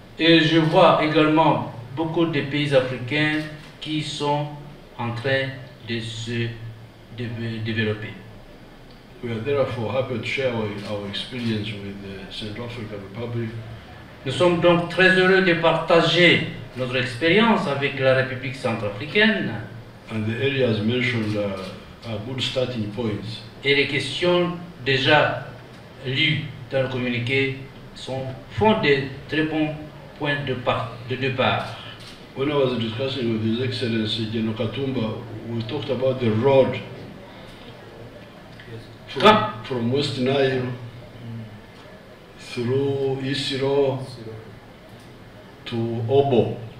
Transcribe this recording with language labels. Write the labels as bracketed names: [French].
[French] Et je vois également beaucoup de pays africains qui sont en train de se développer. [English] We are therefore happy to share our experience with the Central African Republic. [French] Nous sommes donc très heureux de partager notre expérience avec la République centrafricaine. [English] And the areas mentioned are good starting points. [French] Et les questions déjà lues dans le communiqué font de très bons points de départ. [English] When I was discussing with His Excellency General Katumba, we talked about the road from West Nile through Isiro to Obo.